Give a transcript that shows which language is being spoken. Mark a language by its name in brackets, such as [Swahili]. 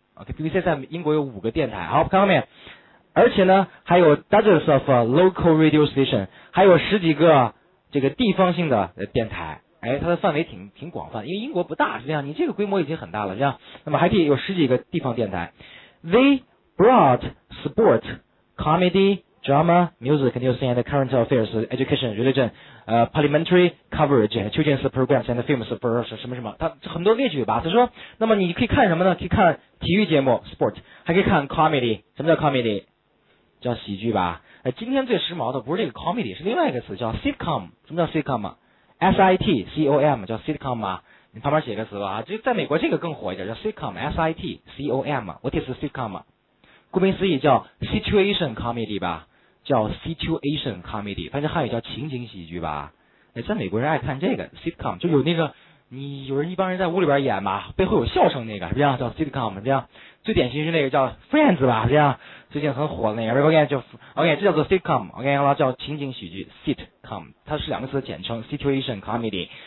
[Chinese] OK，BBC 在英国有五个电台。好，看后面。而且呢还有 [English] dozens of local radio station， [Chinese] 还有十几个这个地方性的电台。哎，它的范围挺广泛，因为英国不大，是这样，你这个规模已经很大了，这样。那么还可以有十几个地方电台。 [English] They brought sport, comedy, drama, music, news and current affairs, education, religion, parliamentary coverage, children's programs and films for [Chinese] 什么什么，他很多列举吧。他说，那么你可以看什么呢？可以看体育节目 sport， 还可以看 comedy。什么叫 comedy？ 叫喜剧吧。今天最时髦的不是这个 comedy， 是另外一个词叫 sitcom。什么叫 sitcom？ S I T C O M 叫 sitcom 吗？你旁边写个词吧，就在美国这个更火一点，叫 sitcom。S I T C O M， [English] what is sitcom？ [Chinese] 顾名思义叫 situation comedy 吧，叫 situation comedy， 反正汉语叫情景喜剧吧。在美国人爱看这个 sitcom， 就有那个你有人一帮人在屋里边演吧，背后有笑声那个，是这样叫 sitcom， 这样最典型是那个叫 Friends 吧，这样最近很火的那个 ，OK 就 OK， 这叫做 sitcom， OK 叫情景喜剧 sitcom， 它是两个词的简称 situation comedy。